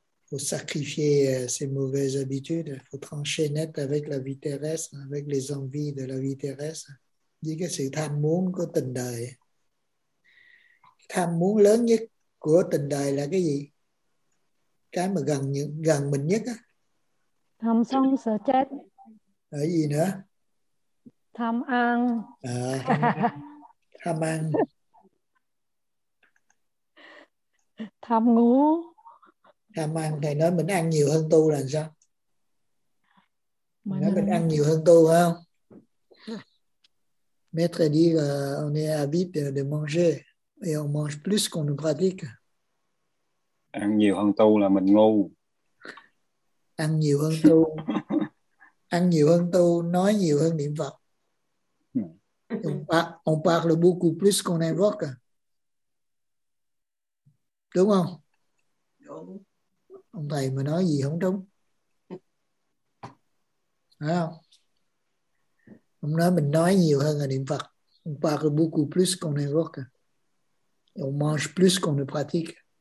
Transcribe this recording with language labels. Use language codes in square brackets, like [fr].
[fr] Faut sacrifier ses mauvaises habitudes, faut trancher net avec la vie terrestre, avec les envies de la vie terrestre. [vi] Với cái sự tham muốn của tình đời. Tham muốn lớn nhất của tình đời là cái gì? Cái mà gần mình nhất á. Tham sống sợ chết. Ở gì nữa? Tham ăn. À, tham ăn. Tham ngủ. Tham ăn, thầy nói mình ăn nhiều hơn tu là sao? Mình nói mình ăn nhiều hơn tu không? [fr] Maître dit qu'on est habitué de manger et on mange plus qu'on ne pratique. [vi] Ăn nhiều hơn tu là mình ngu. Ăn nhiều hơn tu. Ăn nhiều hơn tu, nói nhiều hơn niệm Phật. [fr] On parle beaucoup plus qu'on invoque. [vi] Đúng không? Đúng. Ông thầy mà nói gì không đúng. Phải không? Ông nói mình nói nhiều hơn là niệm Phật. [fr] On parle beaucoup plus qu'on évoque. On mange plus qu'on ne pratique.